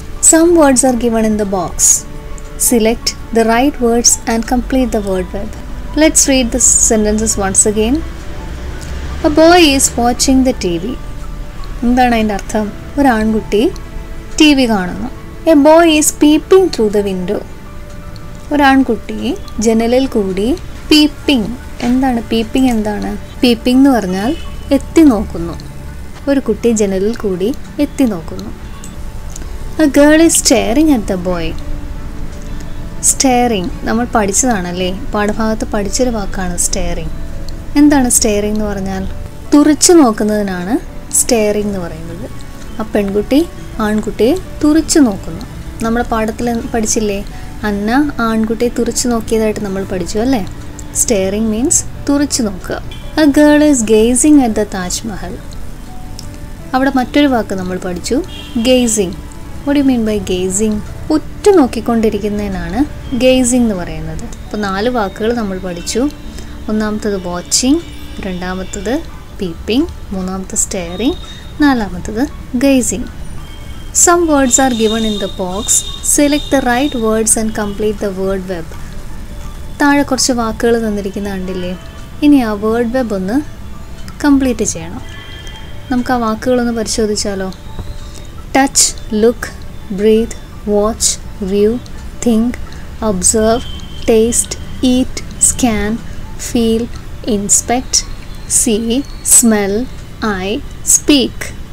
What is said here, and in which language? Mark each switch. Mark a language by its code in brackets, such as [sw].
[en] Some words are given in the box. Select the right words and complete the word web. Let's read the sentences once again. A boy is watching the TV. [ml] Endana inde artham? Oru aankutti TV kaanunu. [en] A boy is peeping through the window. [ml] ഒരാൺകുട്ടി ജനലിൽ കൂടി peeping. എന്താണ് peeping? എന്താണ് peeping എന്ന് പറഞ്ഞാൽ എത്തി നോക്കുന്നു. ഒരു കുട്ടി ജനലിൽ കൂടി എത്തി നോക്കുന്നു. [en] A girl is staring at the boy. [ml] Staring നമ്മൾ പഠിച്ചതാണല്ലേ, പാഠഭാഗത്ത് പഠിച്ചൊരു വാക്കാണ് സ്റ്റെയറിങ്. എന്താണ് സ്റ്റെയറിങ് എന്ന് പറഞ്ഞാൽ? തുറിച്ചു നോക്കുന്നതിനാണ് സ്റ്റെയറിങ് എന്ന് പറയുന്നത്. ആ പെൺകുട്ടി ആൺകുട്ടിയെ തുറിച്ചു നോക്കുന്നു. നമ്മുടെ പാഠത്തിൽ പഠിച്ചില്ലേ അന്ന ആൺകുട്ടിയെ തുറച്ചു നോക്കിയതായിട്ട് നമ്മൾ പഠിച്ചു അല്ലേ. [en] staring means [ml] തുറച്ചു നോക്കുക. [en] A girl is gazing at the Taj Mahal. [ml] അവിടെ മറ്റൊരു വാക്ക് നമ്മൾ പഠിച്ചു, gazing. [en] What you mean by gazing? [ml] ഉറ്റു നോക്കിക്കൊണ്ടിരിക്കുന്നതിനാണ് gazing എന്ന് പറയുന്നത്. അപ്പോൾ നാല് വാക്കുകൾ നമ്മൾ പഠിച്ചു. ഒന്നാമത്തത് വാച്ചിങ്, രണ്ടാമത്തത് പീപ്പിംഗ്, മൂന്നാമത്തത് സ്റ്റെയറിങ്, നാലാമത്തത് gazing. [en] Some words are given in the box. Select the right words and complete the word web. [ml] താഴെ കുറച്ച് വാക്കുകൾ തന്നിരിക്കുന്ന കണ്ടില്ലേ, ഇനി ആ വേർഡ് വെബ് ഒന്ന് കംപ്ലീറ്റ് ചെയ്യണം. നമുക്ക് ആ വാക്കുകളൊന്ന് പരിശോധിച്ചാലോ. [en] Touch, look, breath, watch, view, think, observe, taste, eat, scan, feel, inspect, see, smell, eye, speak.